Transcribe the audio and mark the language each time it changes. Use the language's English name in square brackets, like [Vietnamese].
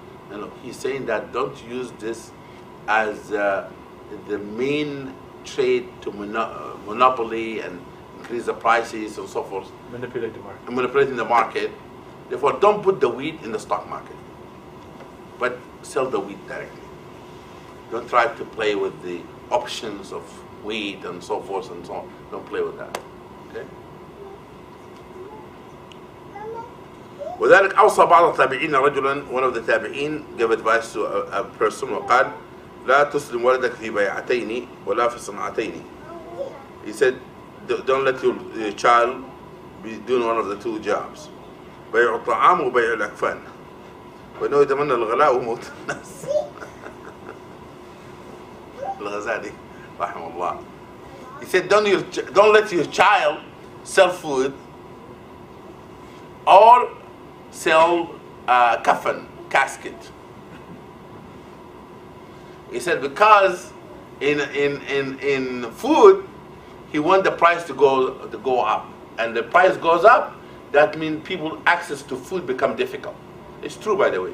[English] You know, he's saying that don't use this as the main trade to monopoly and increase the prices and so forth. Manipulate the market. And manipulating the market. Therefore, don't put the wheat in the stock market, but sell the wheat directly. Don't try to play with the options of wheat and so forth and so on. Don't play with that, okay? [Arabic] وذلك أوصى بعض التابعين رجلاً [English] One of the تابعين gave advice to a person [Arabic] وقال لا تسلم ولدك في بيعتين ولا في صنعتين. [English] He said, don't let your child be doing one of the two jobs. [Arabic] بيع الطعام وبيع الأكفان. وإنه يتمنى الغلاء وموت الناس. الغزالي رحمه الله. [English] He said, don't let your child sell food or sell kafan, casket. He said because in food, he want the price to go up, and the price goes up, that means people access to food become difficult. It's true, by the way.